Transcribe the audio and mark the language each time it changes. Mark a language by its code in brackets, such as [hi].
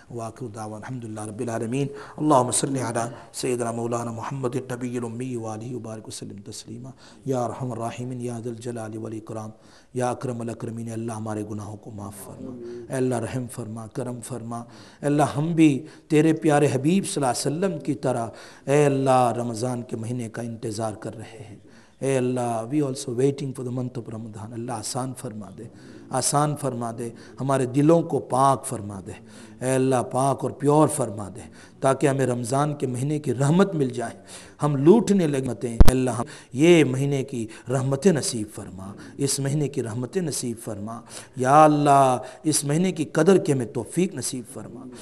[ar] واخر دعوانا الحمدللہ رب العالمین. اللہم صلی علی سیدنا مولانا محمد النبی الامی والی وبارک وسلم تسلیما. یا ارحم الراحمین, یا ذل جلال والاکرام, یا اکرم الاکرمین. [ur] اللہ ہمارے گناہوں کو معاف فرما, اے اللہ رحم فرما, کرم فرما. اے اللہ ہم بھی تیرے پیارے حبیب صلی اللہ علیہ وسلم کی طرح, اے اللہ رمضان کے مہینے کا انتظار کر رہے ہیں. اے اللہ, [en] We also waiting for the month of Ramadan. [ur] اللہ آسان فرما دے, آسان فرما دے, ہمارے دلوں کو پاک فرما دے. اے اللہ پاک اور پیور فرما دے, تاکہ ہمیں رمضان کے مہینے کی رحمت مل جائے. ہم لوٹنے لگتے ہیں, اے اللہ یہ مہینے کی رحمتیں نصیب فرما, اس مہینے کی رحمتیں نصیب فرما. یا اللہ اس مہینے کی قدر کے ہمیں توفیق نصیب فرما.